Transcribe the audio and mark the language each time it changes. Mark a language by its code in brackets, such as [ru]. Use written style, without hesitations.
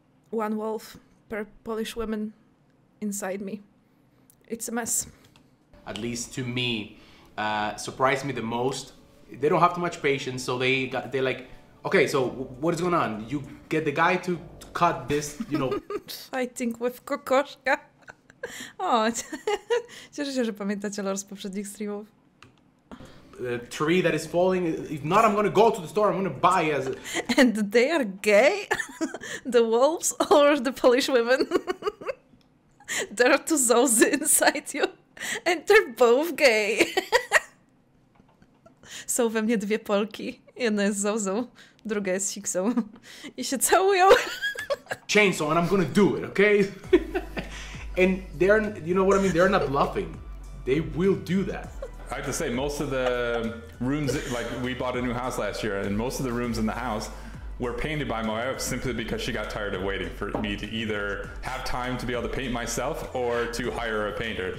[en] One wolf per Polish woman inside me. It's a mess. At least to me, surprised me the most. They don't have too much patience, so they're like, okay, so what is going on? You get the guy to cut this, you know. Fighting with kokoszka. [pl] O, cieszę się, że pamiętacie lore z poprzednich streamów. [en] The tree that is falling, if not, I'm gonna go to the store, I'm gonna buy as a... And they are gay? The wolves or the Polish women? There are two zoos inside you and they're both gay. [pl] Są we mnie dwie Polki. Jedna jest zozą, druga jest siksą. I się całują. [en] Chainsaw and I'm gonna do it, okay? And they're, you know what I mean? They're not bluffing. They will do that. I have to say, most of the rooms, like we bought a new house last year, and most of the rooms in the house were painted by my wife simply because she got tired of waiting for me to either have time to be able to paint myself or to hire a painter.